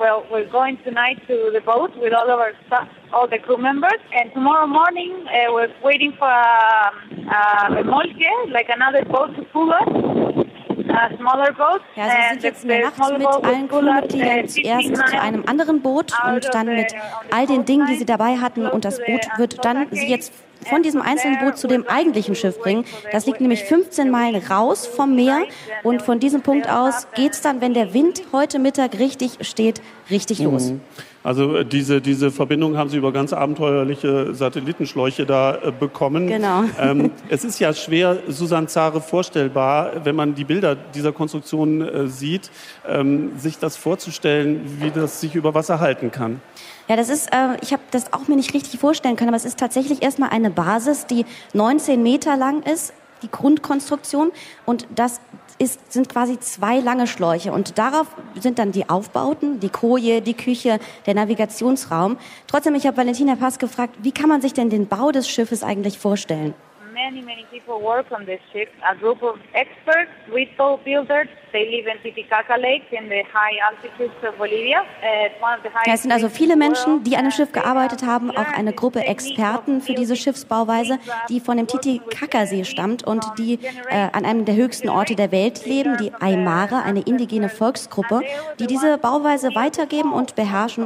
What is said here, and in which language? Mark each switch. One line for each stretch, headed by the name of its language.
English: We're going tonight to the boat with all of our staff, all the crew members. And tomorrow morning, we're waiting for a remolque, like another boat to pull us.
German: Ja, sie sind jetzt in der Nacht mit allen Crewmitgliedern zuerst zu einem anderen Boot und dann mit all den Dingen, die sie dabei hatten. Und das Boot wird dann sie jetzt von diesem einzelnen Boot zu dem eigentlichen Schiff bringen. Das liegt nämlich 15 Meilen raus vom Meer. Und von diesem Punkt aus geht es dann, wenn der Wind heute Mittag richtig steht, richtig los. Mhm. Also diese Verbindung haben Sie über ganz abenteuerliche Satellitenschläuche da bekommen. Genau. Es ist ja schwer, Susanne Zare, vorstellbar, wenn man die Bilder dieser Konstruktion sieht, sich das vorzustellen, wie das sich über Wasser halten kann. Ja, das ist, ich habe das auch mir nicht richtig vorstellen können, aber es ist tatsächlich erstmal eine Basis, die 19 Meter lang ist, die Grundkonstruktion. Und das sind quasi 2 lange Schläuche. Und darauf sind dann die Aufbauten, die Koje, die Küche, der Navigationsraum. Trotzdem, ich habe Valentina Pass gefragt, wie kann man sich denn den Bau des Schiffes eigentlich vorstellen?
English: Many, many people work on this ship. A group of experts, retail builders, they live in Titicaca Lake in the high altitudes of Bolivia.
German: Ja, es sind also viele Menschen, die an dem Schiff gearbeitet haben, auch eine Gruppe Experten für diese Schiffsbauweise, die von dem Titicacasee stammt und die an einem der höchsten Orte der Welt leben, die Aymara, eine indigene Volksgruppe, die diese Bauweise weitergeben und beherrschen.